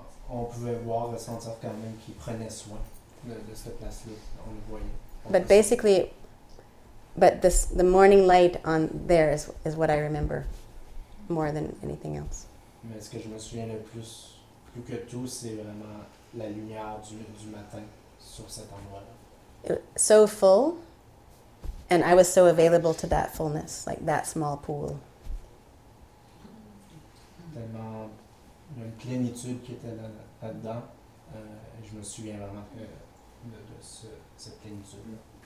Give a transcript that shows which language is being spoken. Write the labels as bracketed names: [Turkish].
[French] On pouvait voir, ressentir quand même qu'il prenait soin de cette place-là. On le voyait. [English] But basically, but the morning light on there is what I remember more than anything else. [French] Mais ce que je me souviens le plus que tout, c'est vraiment la lumière du matin sur cet endroit-là. [English] It was so full, and I was so available to that fullness, like that small pool. [French] Tellement... Il y a une plénitude qui était là-dedans. Je me souviens vraiment de cette plénitude-là.